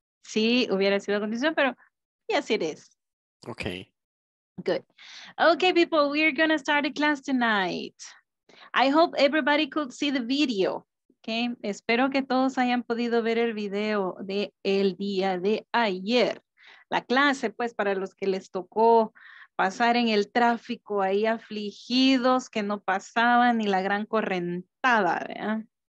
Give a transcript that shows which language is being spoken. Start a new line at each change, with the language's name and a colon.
Spanish: Sí, hubiera sido condición, pero
English: yes, it is. Okay. Good. Okay, people, we're going to start a class tonight. I hope everybody could see the video. Okay.
Spanish: Espero que todos hayan podido ver el video de el día de ayer. La clase, pues, para los que les tocó pasar en el tráfico ahí afligidos, que no pasaban ni la gran correntada, ¿verdad?